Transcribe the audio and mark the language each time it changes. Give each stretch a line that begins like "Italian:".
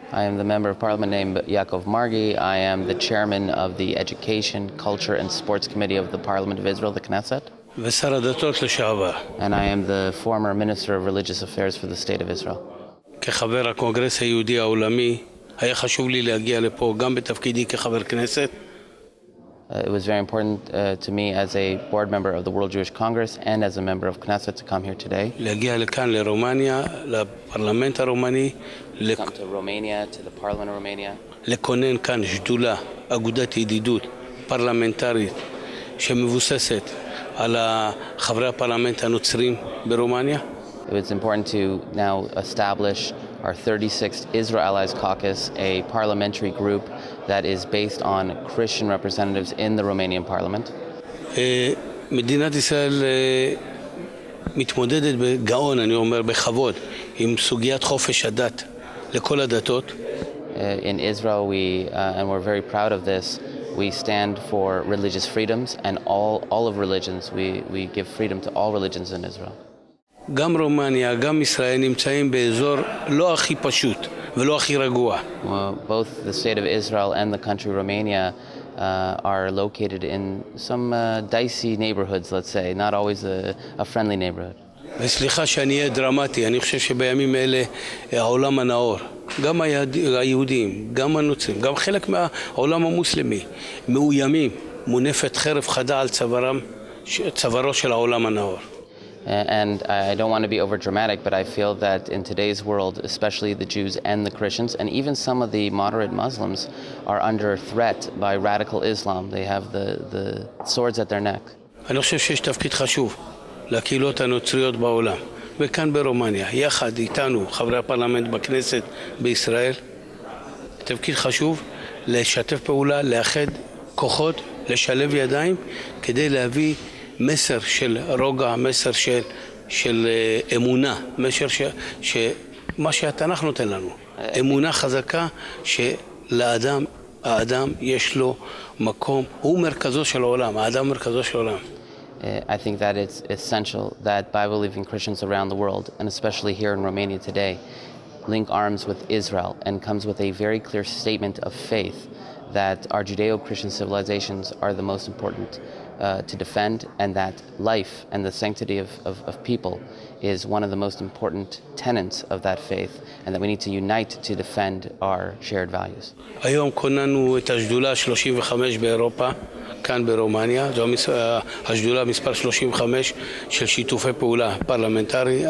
English: I am the member of parliament named Yaakov Margi. I am the chairman of the Education, Culture and Sports Committee of the Parliament of Israel, the Knesset.
Hebrew: ושר הדתות לשעבר.
English: And I am the former Minister of Religious Affairs for the State of Israel.
Hebrew: כחבר הקונגרס היהודי העולמי, היה חשוב לי להגיע לפה גם בתפקידי כחבר כנסת.
English: It was very important to me as a board member of the World Jewish Congress and as a member of Knesset to come here today.
Hebrew: להגיע לכאן לרומניה, לפרלמנט הרומני,
English: come to Romania, to the Parliament of Romania.
Hebrew: לכונן כאן שדולה, אגודת ידידות, פרלמנטרית, שמבוססת על חברי הפרלמנט הנוצרים ברומניה.
English: It's important to now establish our 36th Israel Allies Caucus, a parliamentary group that is based on Christian representatives in the Romanian parliament.
Hebrew: מדינת ישראל מתמודדת בגאון, אני אומר, בכבוד, עם סוגיית חופש הדת לכל הדתות.
English: In Israel, and we're very proud of this, we stand for religious freedoms and all of religions. We give freedom to all religions in Israel.
Hebrew: גם רומניה, גם ישראל נמצאים באזור לא הכי פשוט ולא הכי רגוע.
English: Both the state of Israel and the country Romania are located in some dicey neighborhoods, let's say, not always a friendly neighborhood.
Hebrew: וסליחה שאני אהיה דרמטי, אני חושב שבימים אלה העולם הנאור, גם היהודים, גם הנוצרים, גם חלק מהעולם המוסלמי, מאוימים, מונפת חרב חדה על צווארו של העולם הנאור.
English: And I don't want to be overdramatic, but I feel that in today's world, especially the Jews and the Christians, and even some of the moderate Muslims, are under threat by radical Islam. They have the swords at their neck.
Hebrew: אני חושב שיש תפקיד חשוב לקהילות הנוצריות בעולם, וכאן ברומניה, יחד איתנו, חברי הפרלמנט בכנסת בישראל, תפקיד חשוב לשתף פעולה, לאחד כוחות, לשלב ידיים, כדי להביא מסר של רוגע, מסר של אמונה, מסר שמה שהתנ"ך נותן לנו, אמונה חזקה שלאדם האדם יש לו מקום, הוא מרכזו של העולם, האדם מרכזו של העולם.
English: I think that it's essential that Bible-believing Christians around the world, and especially here in Romania today, link arms with Israel and comes with a very clear statement of faith that our Judeo-Christian civilizations are the most important to defend, and that life and the sanctity of people is one of the most important tenets of that faith, and that we need to unite to defend our shared values.
Hebrew: היום קוננו את השדולה 35 באירופה, כאן ברומניה, זו השדולה מספר 35 של שיתופי פעולה פרלמנטרי.